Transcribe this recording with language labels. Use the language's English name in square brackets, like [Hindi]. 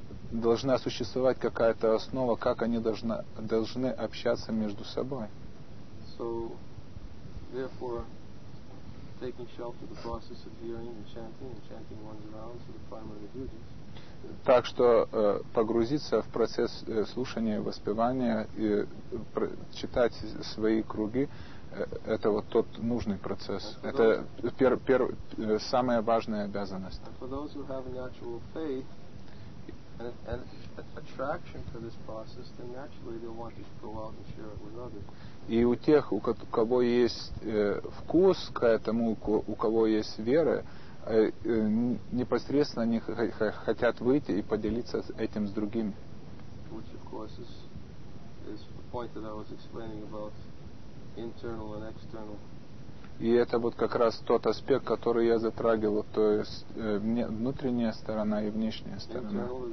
[Russian] Должна существовать какая-то основа, как они должны общаться между собой. [English] So, therefore, taking shelter the process of hearing and chanting one's rounds for the primary duties. [Russian] Так что погрузиться в процесс слушания, воспевания и читать свои круги, это вот тот нужный процесс. Это самая важная обязанность. [English] For those who have natural faith and attraction to this process, then naturally they'll want to go out and share it with others. [Russian] И у тех, у кого есть вкус к этому, у кого есть вера, непосредственно они хотят выйти и поделиться этим с другими. [English] Which of course is the point that I was explaining about internal and external. [Russian] И это вот как раз тот аспект, который я затрагивал, то есть внутренняя сторона и внешняя сторона.